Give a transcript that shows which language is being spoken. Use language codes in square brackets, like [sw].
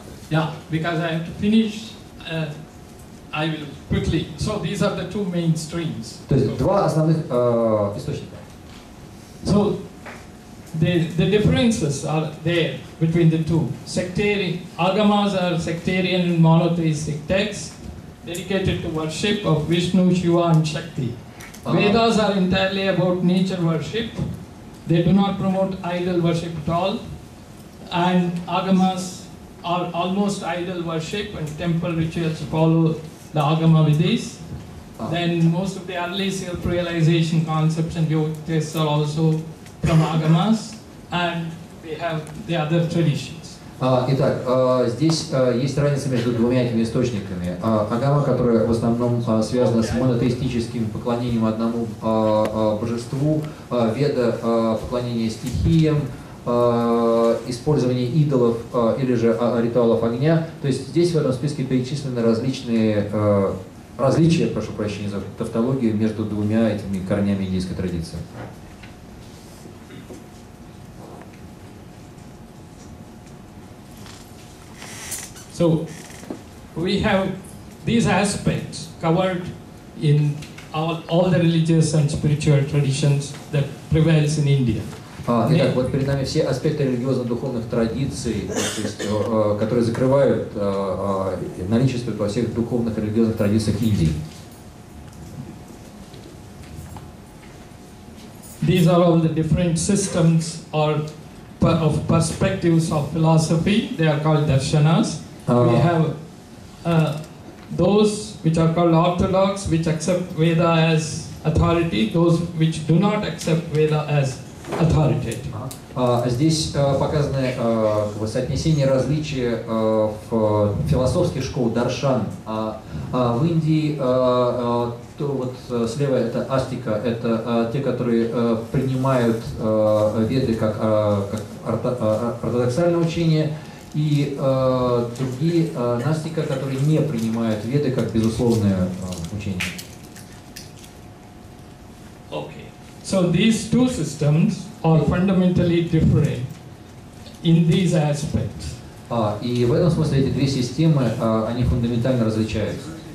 [en] Yeah, because I have to finish, I will quickly. So these are the two main streams. [ru] То есть два основных источника. [en] So the differences are there between the two. Sectarian Agamas are sectarian and monotheistic texts dedicated to worship of Vishnu, Shiva and Shakti. Vedas are entirely about nature worship. They do not promote idol worship at all, and agamas are almost idol worship, and temple rituals follow the agama vidhis. Then most of the early self-realization concepts and yoga tests are also from agamas, and we have the other traditions. [ru] Итак, здесь есть разница между двумя этими источниками. Агама, которая в основном связана с монотеистическим поклонением одному божеству, Веда, поклонение стихиям, использование идолов или же ритуалов огня. То есть здесь в этом списке перечислены различные различия, прошу прощения за тавтологию, между двумя этими корнями индийской традиции. [en] So we have these aspects covered in all the religious and spiritual traditions that prevails in India. [ru] Итак, вот перед нами все аспекты религиозно-духовных традиций, то есть, которые закрывают наличие во всех духовных и религиозных традициях Индии. [en] These are all the different systems or of perspectives of philosophy. They are called darshanas. We have those which are called orthodox, which accept Veda as authority, those which do not accept Veda as authority. [ru] Здесь показаны соотнесение различия в философских школах даршан. В Индии то вот слева это астика, это те, которые принимают Веды как ортодоксальное учение. И другие настика, которые не принимают Веды как безусловное учение. [en] Okay. So these two systems are fundamentally different in these aspects. [ru] И в этом смысле эти две системы, они фундаментально различаются.